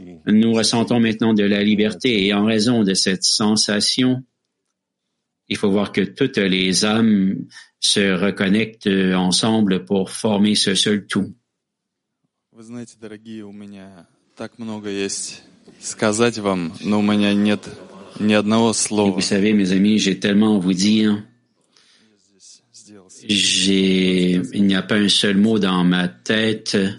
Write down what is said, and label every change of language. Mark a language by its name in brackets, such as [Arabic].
[French] nous ressentons maintenant de la liberté et en raison de cette sensation, il faut voir que toutes les âmes se reconnectent ensemble pour former ce seul tout. Vous savez, [Russian] дорогие, у меня так много есть сказать вам, но у меня нет ни одного слова. [French] Vous savez, mes amis, j'ai tellement à vous dire. Il n'y a pas un seul mot dans ma tête.